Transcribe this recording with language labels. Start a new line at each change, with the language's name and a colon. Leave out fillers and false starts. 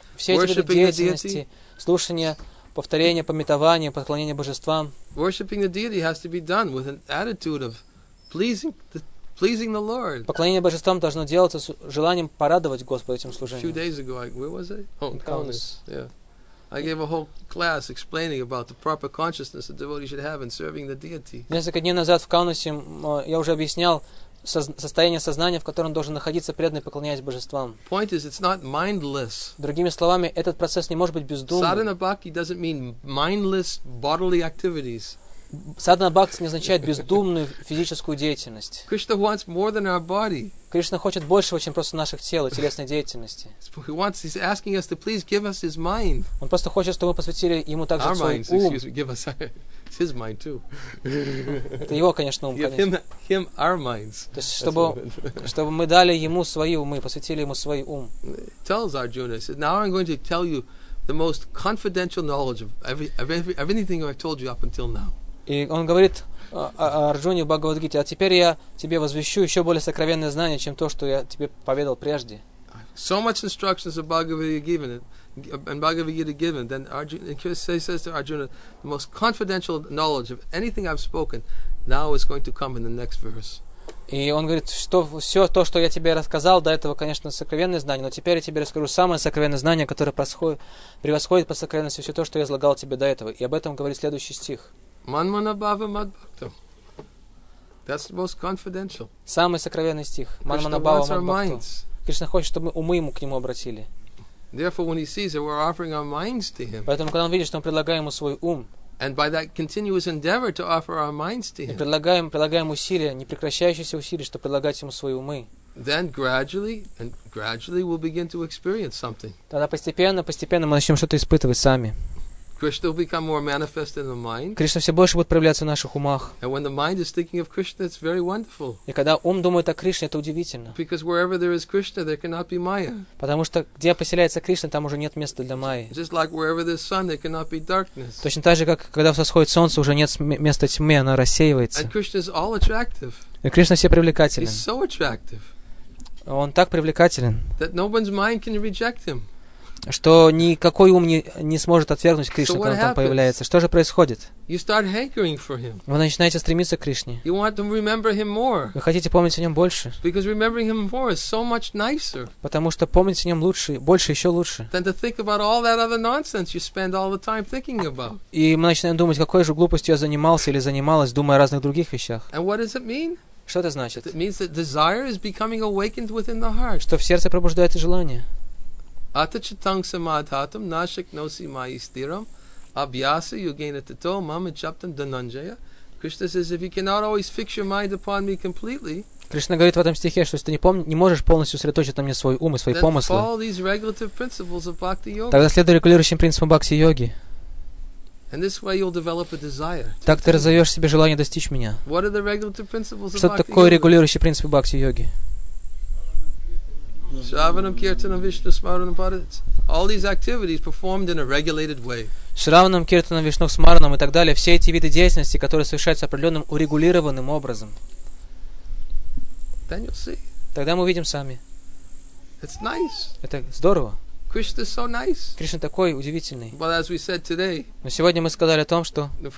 Russian: все эти виды деятельности, слушание, повторение, памятование, поклонение божествам.
English: Worshipping the deity has to be done with an attitude of pleasing the Lord.
Russian: Поклонение божествам должно делаться с желанием порадовать Господа этим служением.
English: A few days ago, where was I? Oh, in Kaunas. Yeah. I gave a whole class explaining about the proper consciousness a devotee should have in serving the deity.
Russian: Несколько дней назад в Каунасе я уже объяснял состояние сознания, в котором должен находиться преданный, поклоняясь божествам.
English: Point is, it's not mindless.
Russian: Другими словами, этот процесс не может быть бездумным.
English: Sadhana bhakti doesn't mean mindless bodily activities.
Russian: Sadhana bhakti не означает бездумную физическую деятельность.
English: Krishna wants more than our body.
Russian: Кришна хочет большего, чем просто наших тел и телесной деятельности.
English: He's asking us to please give us his mind.
Russian: Он просто хочет, чтобы мы посвятили ему также свой
English: minds,
Russian: ум.
English: Excuse me, give us it's his mind too.
Russian: Это его, конечно, ум.
English: Give him our minds.
Russian: То есть, чтобы мы дали ему свои умы, посвятили ему свой ум.
English: Tells Arjuna, says, now I'm going to tell you the most confidential knowledge of every anything I've told you up until now.
Russian: И он говорит Арджуне в Бхагавадгите, а теперь я тебе возвещу еще более сокровенное знание, чем то, что я тебе поведал прежде.
English: So much instructions of Bhagavad Gita given, then Arjuna says to Arjuna, the most confidential knowledge of anything I've spoken now is going to come in the next verse.
Russian: И он говорит, что все то, что я тебе рассказал до этого, конечно, сокровенное знание, но теперь я тебе расскажу самое сокровенное знание, которое превосходит по сокровенности все то, что я излагал тебе до этого. И об этом говорит следующий стих.
Sanskrit: Manmana bhava mad bhaktam.
English: That's the most confidential.
Russian: Самый сокровенный стих.
Sanskrit: Manmana bhava mad bhaktam.
Russian: Кришна хочет, чтобы мы умы ему к нему обратили.
English: Therefore, when he sees that we're offering our minds to him.
Russian: Поэтому, когда он видит, что мы предлагаем ему свой ум.
English: And by that continuous endeavor to offer our minds to him.
Russian: Предлагаем усилия, непрекращающиеся усилия, чтобы предлагать ему свои умы.
English: Then gradually we'll begin to experience something.
Russian: Тогда постепенно мы начнем что-то испытывать сами.
English: Krishna will become more manifest in the mind.
Russian: Кришна все больше будет проявляться в наших умах.
English: And when the mind is thinking of Krishna, it's very wonderful.
Russian: И когда ум думает о Кришне, это удивительно.
English: Because wherever there is Krishna, there cannot be Maya.
Russian: Потому что где поселяется Кришна, там уже нет места для Майи.
English: Just like wherever there's sun, there cannot be darkness.
Russian: Точно так же, как когда восходит солнце, уже нет места тьме, она рассеивается.
English: And Krishna is all attractive.
Russian: И Кришна все привлекателен.
English: He's so attractive.
Russian: Он так привлекателен.
English: That no one's mind can reject him.
Russian: Что никакой ум не сможет отвергнуть Кришну,
English: so
Russian: когда он там
English: happens?
Russian: Появляется. Что же происходит?
English: You start hankering for him.
Russian: Вы начинаете стремиться к Кришне.
English: You want to remember him more.
Russian: Вы хотите помнить о нем больше.
English: Because remembering him more is so much nicer.
Russian: Потому что помнить о нем лучше, больше, еще лучше.
English: Than to think about all that other nonsense you spend all the time thinking about.
Russian: И мы начинаем думать, какой же глупостью я занимался или занималась, думая о разных других вещах.
English: And what does it mean?
Russian: Что это значит?
English: It means that desire is becoming awakened within the heart.
Russian: Что в сердце пробуждается желание.
Sanskrit: Atachitang samadhatam nashik nosi maistiram abhyasa yuginatato mamachaptam dananjaya.
English: Krishna says, if you cannot always fix your mind upon me completely,
Russian: Кришна говорит в этом стихе, что если ты не можешь полностью сосредоточить на мне свой ум и свои помыслы, тогда следуй регулирующим принципам бхакти-йоги.
English: And this way you'll develop a desire.
Russian: Так ты разовьешь себе желание достичь меня.
English: What are the regulative principles of bhakti?
Russian: Что такое регулирующие принципы бхакти-йоги?
Sanskrit: Shravanam, Kirtanam, Vishnu, Smaranam, Paritam.
English: All these activities performed in a regulated way.
Sanskrit: Shravanam, Kirtanam, Vishnu, Smaranam
Russian: и так далее. Все эти виды деятельности, которые совершаются определенным урегулированным образом.
English: Then you'll see.
Russian: Тогда мы увидим сами.
English: It's nice.
Russian: Это здорово.
English: Krishna so nice.
Russian: Кришна такой удивительный.
English: But as we said today.
Russian: Но сегодня мы сказали о том, что.